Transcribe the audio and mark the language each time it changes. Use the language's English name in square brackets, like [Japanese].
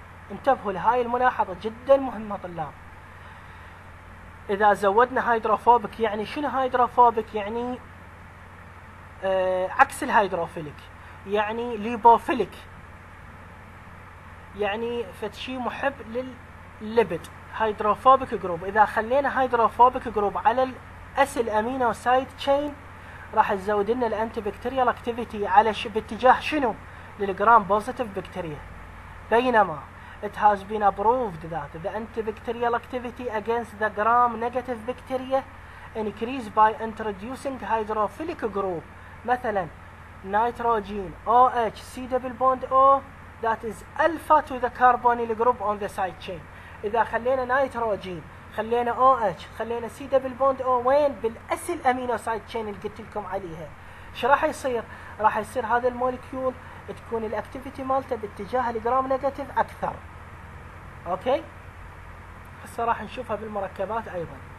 [Arabic] انتبهوا لهاي الملاحظة جدا مهمة طلاب. إذا زودنا هايدروفوبك يعني شنو هايدروفوبك؟ يعني عكس الهايدروفيلك يعني ليبوفيلك يعني فتشي محب للليبد هايدروفوبك جروب. إذا خلينا هايدروفوبك جروب على الأسيل أمينو سايد تشين راح تزود لنا الأنتي بكتيريال أكتيفيتي على باتجاه شنو؟ للجرام بوزيتيف بكتيريا. بينما [English] it has been approved that the antibacterial activity against the gram negative bacteria increased by introducing hydrophilic group مثلا nitrogen OH C double bond O that is alpha to the carbonyl group on the side chain. [Arabic] إذا خلينا nitrogen خلينا OH خلينا C double bond O وين بالأسل أمينو side chain اللي قلت لكم عليها شو راح يصير؟ راح يصير هذا الموليكيول تكون الاكتيفيتي مالته باتجاه الجرام نيجاتيف اكثر. اوكي؟ هسه راح نشوفها بالمركبات ايضا.